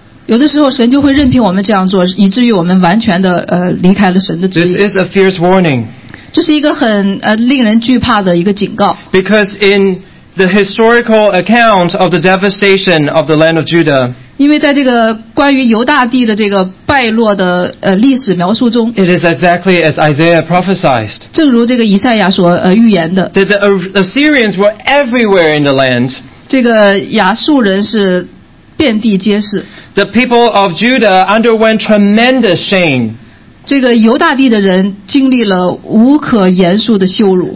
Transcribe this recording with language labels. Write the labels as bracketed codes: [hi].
[zh] 有的时候神就会任凭我们这样做，以至于我们完全的离开了神的旨意。 [en] This is a fierce warning. [zh] 这是一个很令人惧怕的一个警告。 [en] Because in the historical account of the devastation of the land of Judah, [zh] 因为在这个关于犹大地的这个败落的历史描述中 [en] ，It is exactly as Isaiah prophesied. [zh] 正如这个以赛亚所预言的 [en] ，That the Assyrians were everywhere in the land. [zh] 这个亚述人是遍地皆是。 [en] The people of Judah underwent tremendous shame. [zh] 这个犹大地的人经历了无可言述的羞辱。